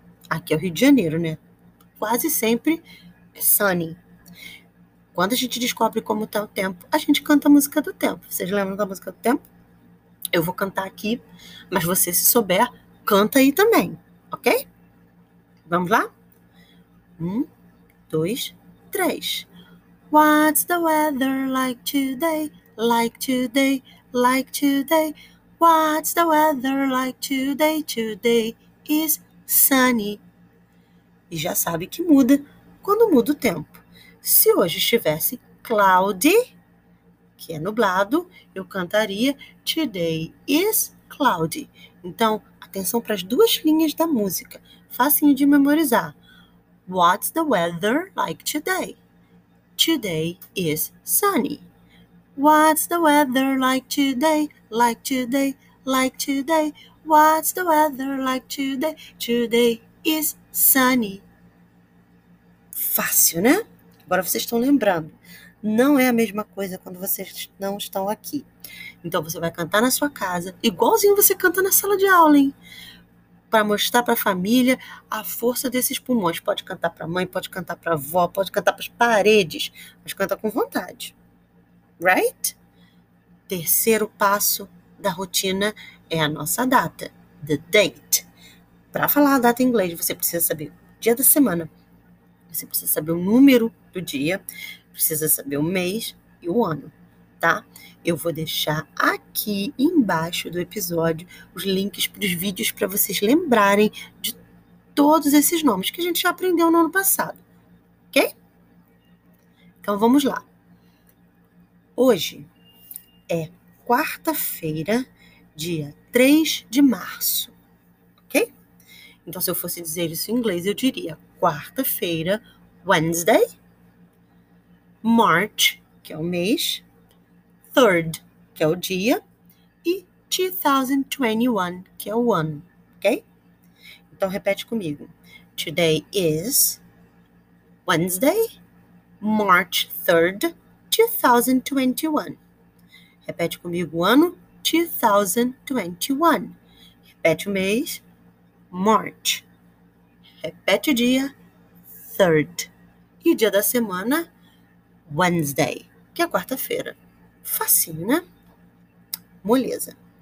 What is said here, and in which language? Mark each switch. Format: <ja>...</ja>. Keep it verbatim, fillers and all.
<pt>Aqui é o Rio de Janeiro, né? Quase sempre é sunny. Quando a gente descobre como está o tempo, a gente canta a música do tempo. Vocês lembram da música do tempo? Eu vou cantar aqui, mas você, se souber, canta aí também, ok? Vamos lá? Um, dois, três.</pt> <en>What's the weather like today? Like today, like today. What's the weather like today? Today is sunny.</en> <pt>E já sabe que muda quando muda o tempo. Se hoje estivesse cloudy, que é nublado, eu cantaria</pt> <en>today is cloudy.</en> <pt>Então, atenção para as duas linhas da música. Facinho de memorizar.</pt> <en>What's the weather like today? Today is sunny. What's the weather like today? Like today, like today. What's the weather like today? Today is sunny.</en> <pt>Fácil, né? Agora vocês estão lembrando. Não é a mesma coisa quando vocês não estão aqui. Então você vai cantar na sua casa, igualzinho você canta na sala de aula, hein? Para mostrar para a família a força desses pulmões. Pode cantar para a mãe, pode cantar para a avó, pode cantar para as paredes, mas canta com vontade. Right? Terceiro passo da rotina é a nossa data,</pt> <en>the date.</en> <pt>Para falar a data em inglês, você precisa saber o dia da semana, você precisa saber o número do dia, precisa saber o mês e o ano, tá? Eu vou deixar aqui embaixo do episódio os links para os vídeos para vocês lembrarem de todos esses nomes que a gente já aprendeu no ano passado, ok? Então vamos lá. Hoje é quarta-feira, dia três de março, ok? Então se eu fosse dizer isso em inglês, eu diria quarta-feira, Wednesday. March, que é o mês. Third, que é o dia. E dois mil e vinte e um, que é o ano, ok? Então, repete comigo.</pt> <en>Today is Wednesday, March third,</en> <pt>dois mil e vinte e um. Repete comigo o ano, dois mil e vinte e um. Repete o mês, March. Repete o dia, third. E o dia da semana, Wednesday, que é quarta-feira. Facinho, né? Moleza.</pt>